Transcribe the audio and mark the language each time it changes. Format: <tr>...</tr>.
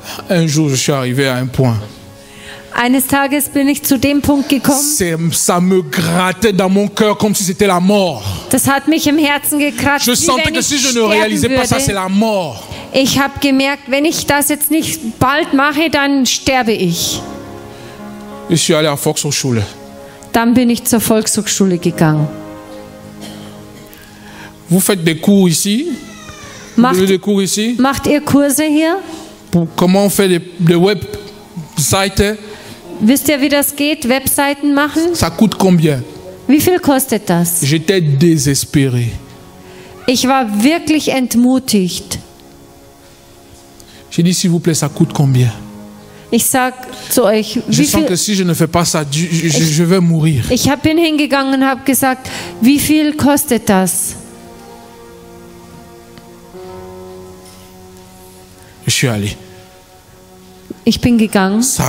<fr>Un jour, je suis arrivé à un point.</fr> <de>Eines Tages bin ich zu dem Punkt gekommen.</de> <fr>Ça me grattait dans mon cœur comme si c'était la mort.</fr> <de>Das hat mich im Herzen gekratzt.</de> <fr>Je sentais que si je ne réalisais pas ça, c'est la mort.</fr> <de>Ich habe gemerkt, wenn ich das jetzt nicht bald mache, dann sterbe ich.</de> <fr>Je suis allé à Volkshochschule.</fr> <de>Dann bin ich zur Volkshochschule gegangen.</de> <fr>Vous faites des cours ici?</fr> <de>Macht ihr Kurse hier?</de> <fr>Comment on fait des web Seite.</fr> <de>Wisst ihr, wie das geht? Webseiten machen?</de> <fr>Ça coûte combien?</fr> <de>Wie viel kostet das?</de> <fr>J'étais désespéré.</fr> <de>Ich war wirklich entmutigt.</de> <fr>J'ai dit, s'il vous plaît, ça coûte combien?</fr> <de>Ich sag zu euch, ich bin hingegangen und habe gesagt, wie viel kostet das? Ich bin gegangen.</de>